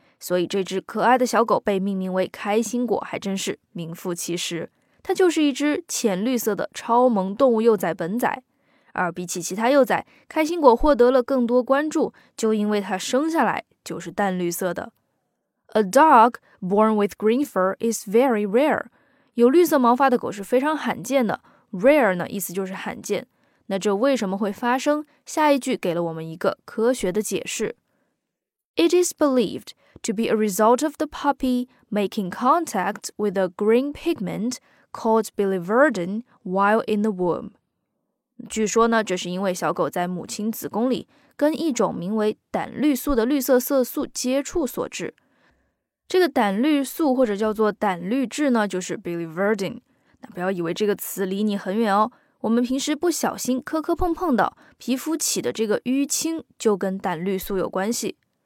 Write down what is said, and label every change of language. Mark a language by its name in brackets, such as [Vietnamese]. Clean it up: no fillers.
[Chinese] 所以这只可爱的小狗被命名为开心果还真是名副其实。它就是一只浅绿色的超萌动物幼崽本仔。而比起其他幼崽，开心果获得了更多关注，就因为它生下来就是淡绿色的。 [English] A dog born with green fur is very rare. [Chinese] 有绿色毛发的狗是非常罕见的。rare 呢，意思就是罕见。那这为什么会发生？下一句给了我们一个科学的解释。 [English] It is believed to be a result of the puppy making contact with a green pigment called biliverdin while in the womb. [Chinese] 据说呢，这是因为小狗在母亲子宫里跟一种名为胆绿素的绿色色素接触所致。这个胆绿素或者叫做胆绿质呢，就是 biliverdin。那不要以为这个词离你很远哦，我们平时不小心磕磕碰碰的皮肤起的这个淤青就跟胆绿素有关系。